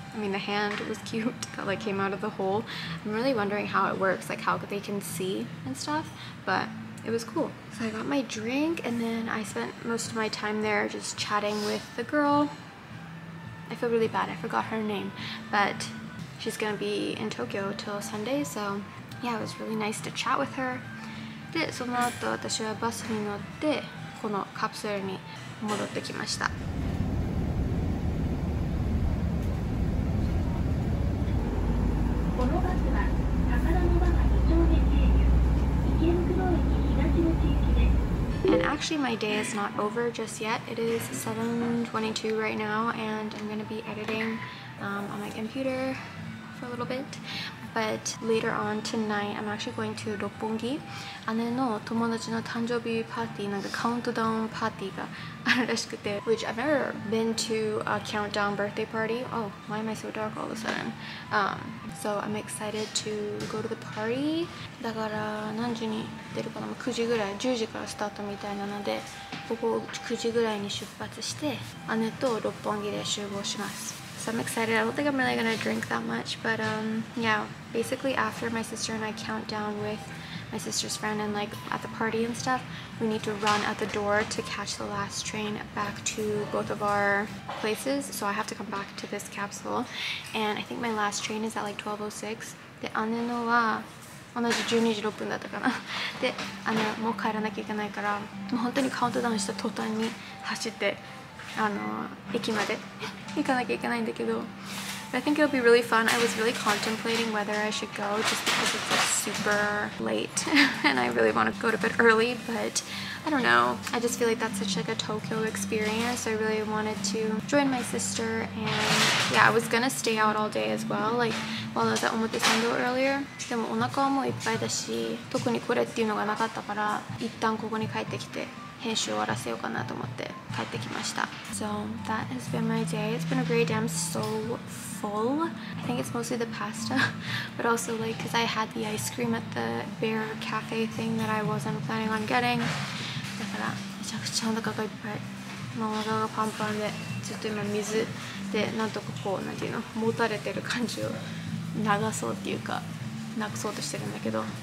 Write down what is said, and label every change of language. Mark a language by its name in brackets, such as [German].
[English] I mean, the hand was cute that like came out of the hole. I'm really wondering how it works, like how they can see and stuff, but it was cool. So I got my drink, and then I spent most of my time there just chatting with the girl. I feel really bad, I forgot her name, but she's gonna be in Tokyo till Sunday, so yeah, it was really nice to chat with her. [Japanese] で、その後私はバスに乗ってこのカプセルに戻ってきました。このバスは宝の場が2丁目経由、池袋駅東口行きです。 [English] And actually my day is not over just yet. It is 7:22 right now and I'm going to be editing on my computer for a little bit. But later on tonight, I'm actually going to Roppongi. [Japanese] 姉の友達の誕生日パーティー、なんかカウントダウンパーティーがあるらしくて。 [English] Which I've never been to a countdown birthday party. Oh, why am I so dark all of a sudden? So I'm excited to go to the party. [Japanese] だから何時に出るかな ?9 時ぐらい、10時からスタートみたいなので、ここ9時ぐらいに出発して、姉と Roppongi で集合します。 [English] So I'm excited. I don't think I'm really gonna drink that much, but yeah, basically after my sister and I count down with my sister's friend and like at the party and stuff, we need to run out the door to catch the last train back to both of our places. So I have to come back to this capsule. And I think my last train is at like 12:06. [Japanese] で、姉のは同じ12時6分だったかな。で、もう帰らなきゃいけないから、もう本当にカウントダウンした途端に走って、駅まで行かなきゃいけないんだけど。 [English] I think it'll be really fun. I was really contemplating whether I should go just because it's like super late and I really want to go to bed early, but I don't know. I just feel like that's such like a Tokyo experience. I really wanted to join my sister and yeah, I was gonna stay out all day as well. Like while I was at Omotesando earlier. [Japanese] でもお腹もいっぱいだし、特にこれっていうのがなかったから、一旦ここに帰ってきて編集を終わらせようかなと思って帰ってきました。 [English] So that has been my day. It's been a great day. I'm so full. I think it's mostly the pasta, but also like because I had the ice cream at the bear cafe thing that I wasn't planning on getting. [Japanese] だからめちゃくちゃお腹がいっぱい。もうお腹がパンパンで、ずっと今水でなんとかこうなんていうの、もたれてる感じを流そうっていうか、なくそうとしてるんだけど。